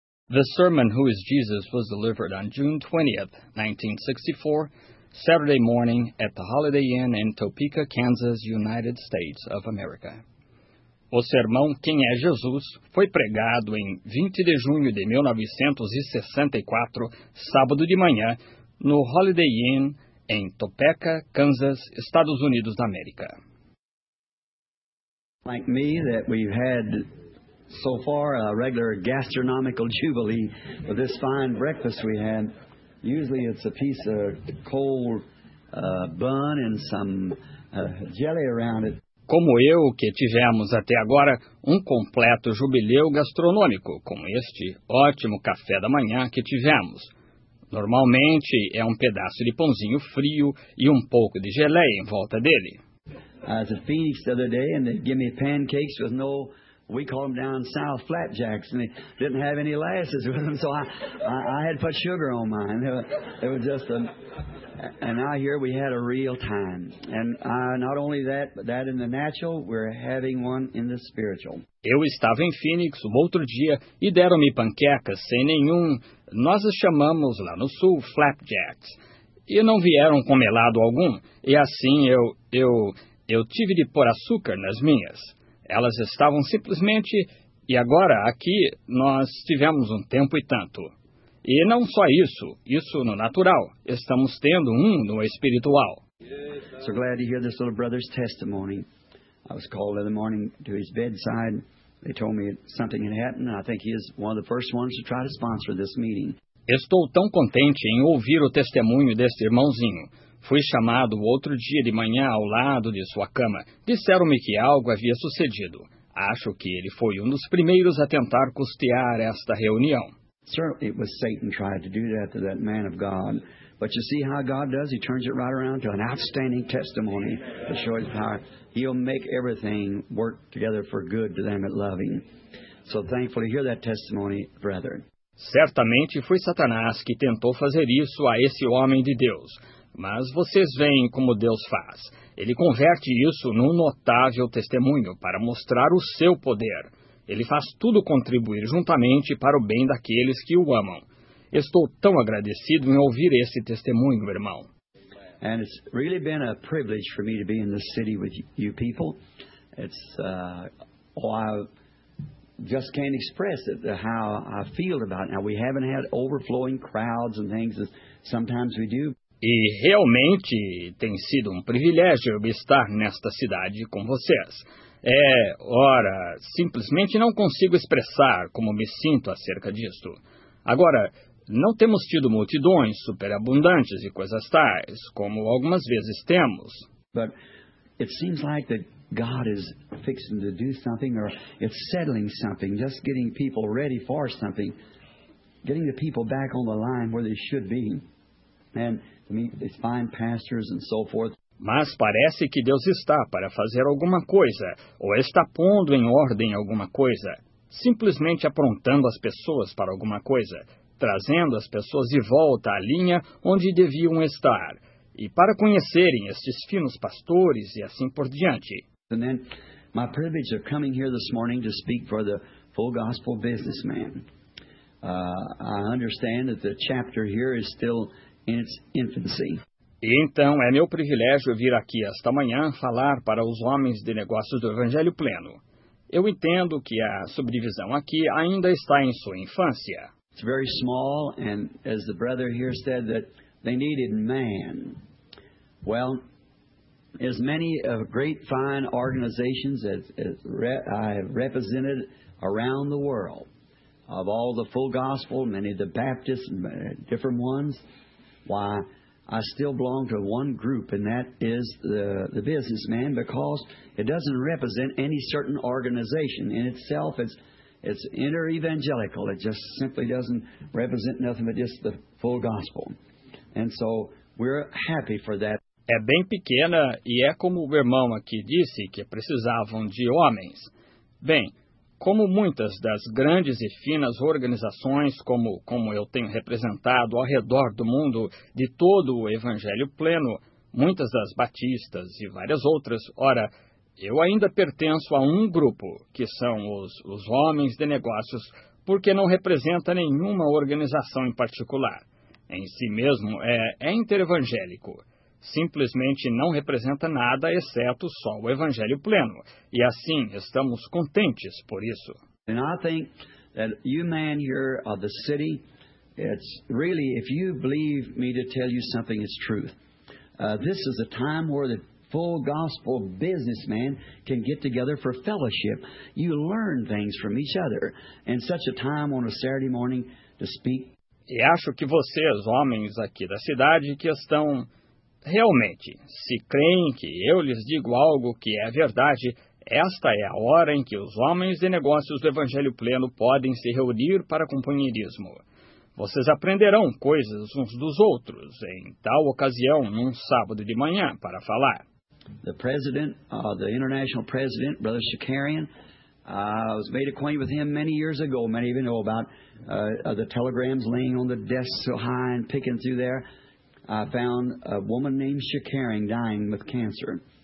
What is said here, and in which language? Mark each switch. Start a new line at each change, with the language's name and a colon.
English: The sermon, Who is Jesus?, was delivered on June 20, 1964, Saturday morning at the Holiday Inn in Topeka, Kansas, United States of America.
Portuguese: O sermão, Quem é Jesus?, foi pregado em 20 de junho de 1964, sábado de manhã, no Holiday Inn em Topeka, Kansas, Estados Unidos da América.
English: Like me, that we've had so far a regular gastronomical jubilee with this fine breakfast we had. Usually it's a piece of cold bun and some jelly around it.
Portuguese: Como eu, que tivemos até agora um completo jubileu gastronômico com este ótimo café da manhã que tivemos. Normalmente é um pedaço de pãozinho frio e um pouco de geleia em volta dele.
English: I was at Phoenix the other day and they give me pancakes with no... We call them down south flapjacks, and they didn't have any lasses with them, so I had put sugar on mine. It was just a, and I hear we had a real time. And not only that, but that in the natural, we're having one in the spiritual.
Portuguese: Eu estava em Phoenix o outro dia e deram-me panquecas sem nenhum. Nós as chamamos lá no sul flapjacks, e não vieram com melado algum. E assim eu tive de pôr açúcar nas minhas. Elas estavam simplesmente, e agora, aqui, nós tivemos um tempo e tanto. E não só isso, isso no natural, estamos tendo um no espiritual.
English: So glad to hear this little brother's testimony. I was called in the morning to his bedside. They told me something had happened, and I think he is one of the first ones to try to sponsor this meeting.
Portuguese: Estou tão contente em ouvir o testemunho deste irmãozinho. Fui chamado outro dia de manhã ao lado de sua cama. Disseram-me que algo havia sucedido. Acho que ele foi um dos primeiros a tentar custear esta reunião.
English: Certainly, it was Satan tried to do that to that man of God. But you see how God does? He turns it right around to an outstanding testimony to show his power. He'll make everything work together for good to them that love him. So thankful to hear that testimony, brother.
Portuguese: Certamente foi Satanás que tentou fazer isso a esse homem de Deus. Mas vocês veem como Deus faz. Ele converte isso num notável testemunho para mostrar o seu poder. Ele faz tudo contribuir juntamente para o bem daqueles que o amam. Estou tão agradecido em ouvir esse testemunho, irmão.
English: And it's really been a privilege for me to be in this city with you people. It's I just can't express it, how I feel about it. Now, we haven't had overflowing crowds and things as sometimes we do.
Portuguese: E realmente tem sido um privilégio estar nesta cidade com vocês. É, ora, simplesmente não consigo expressar como me sinto acerca disto. Agora, não temos tido multidões superabundantes e coisas tais, como algumas vezes temos.
English: But it seems like that God is fixing to do something, or it's settling something, just getting people ready for something, getting the people back on the line where they should be. And to meet these fine pastors and so forth.
Portuguese: Mas parece que Deus está para fazer alguma coisa, ou está pondo em ordem alguma coisa, simplesmente aprontando as pessoas para alguma coisa, trazendo as pessoas de volta à linha onde deviam estar, e para conhecerem estes finos pastores e assim por diante.
English: And then, my privilege of coming here this morning to speak for the full gospel businessman. I understand that the chapter here is still... in its infancy.
Portuguese: E então, é meu privilégio vir aqui esta manhã falar para os homens de negócios do Evangelho Pleno. Eu entendo que a subdivisão aqui ainda está em sua infância.
English: It's very small, and as the brother here said, that they needed man. Well, as many great fine organizations as I have represented around the world, of all the full gospel, many of the Baptists, different ones, why, I still belong to one group, and that is the businessman, because it doesn't represent any certain organization. In itself, it's inter-evangelical. It just simply doesn't represent nothing but just the full gospel. And so, we're happy for that.
Portuguese: É bem pequena, e é como o irmão aqui disse, que precisavam de homens. Bem, como muitas das grandes e finas organizações, como eu tenho representado ao redor do mundo, de todo o Evangelho Pleno, muitas das batistas e várias outras, ora, eu ainda pertenço a um grupo, que são os homens de negócios porque não representa nenhuma organização em particular. Em si mesmo, é inter-evangélico. Simplesmente não representa nada exceto só o Evangelho pleno. E assim, estamos contentes por isso. E eu acho que você, man, aqui da cidade,
English: it's really, if you believe me to tell you something is truth, this is a time where the full gospel businessman can get together for fellowship. You learn things from each other. And such a time on a Saturday morning to speak.
Portuguese: E acho que vocês, homens aqui da cidade, que estão realmente, se creem que eu lhes digo algo que é verdade, esta é a hora em que os homens de negócios do Evangelho Pleno podem se reunir para companheirismo. Vocês aprenderão coisas uns dos outros em tal ocasião, num sábado de manhã, para falar.
English: The president, the international president, Brother Shakarian, I was made acquainted with him many years ago. Many of you know about the telegrams laying on the desk so high and picking through there. I found a woman named Shakarian dying with cancer.